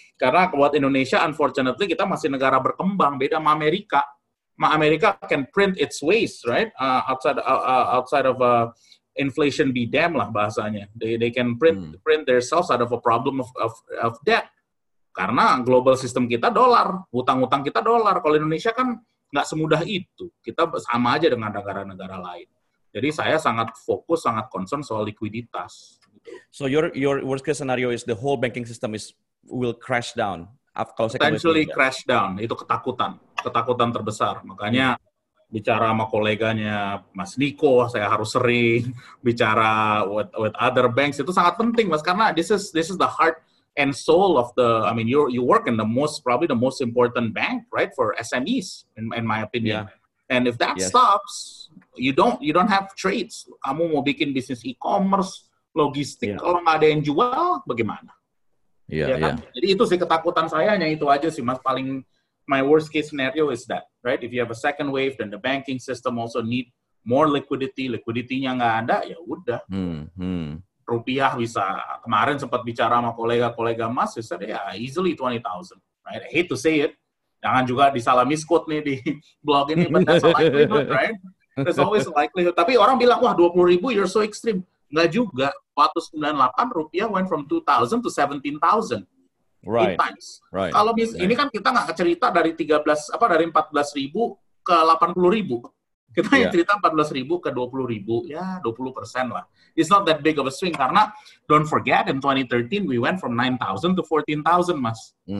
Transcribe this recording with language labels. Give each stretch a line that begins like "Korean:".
Indonesian: Karena buat Indonesia, unfortunately, kita masih negara berkembang, beda sama Amerika.
English: Amerika can print its ways, right? Outside of inflation be damn
Indonesian: lah bahasanya.
English: They can print themselves out of a problem of debt.
Indonesian: Karena global system kita dolar, utang-utang kita dolar. Kalau Indonesia kan nggak semudah itu. Kita sama aja dengan negara-negara lain. Jadi saya sangat fokus, sangat concern soal likuiditas.
English: So your worst case scenario is the whole banking system will crash down. Potentially crash down.
Indonesian: Itu ketakutan terbesar. Makanya. Bicara sama koleganya Mas Niko, saya harus sering bicara
English: with other banks.
Indonesian: Itu sangat penting, Mas, karena
English: this is the heart and soul of the, I mean, you work in probably the most important bank, right, for SMEs in my opinion. Yeah. And if that stops, you don't have trades.
Indonesian: Kamu mau bikin bisnis e-commerce, logistik, kalau nggak ada yang jual, bagaimana?
English: Yeah.
Indonesian: Jadi itu sih ketakutan saya, hanya itu aja sih, Mas, paling.
English: My worst case scenario is that, right? If you have a second wave, then the banking system also need more liquidity.
Indonesian: Liquidity-nya nggak ada, ya udah. Rupiah bisa. Kemarin sempat bicara sama kolega-kolega Mas,
English: he said, yeah, easily 20,000. Right? I hate to say it.
Indonesian: Jangan juga disalah misquote nih di blog ini,
English: but that's a likelihood, right? There's always a likelihood.
Indonesian: Tapi orang bilang, wah
English: 20,000, you're so extreme.
Indonesian: Nggak juga.
English: 498 rupiah went from 2,000 to 17,000. Right.
Indonesian: Kalau ini kan kita nggak cerita dari 14,000 ke 80,000. Kita yang cerita 14,000 ke 20,000, ya 20% lah.
English: It's not that big of a swing karena don't forget in 2013 we went from 9,000 to 14,000, Mas.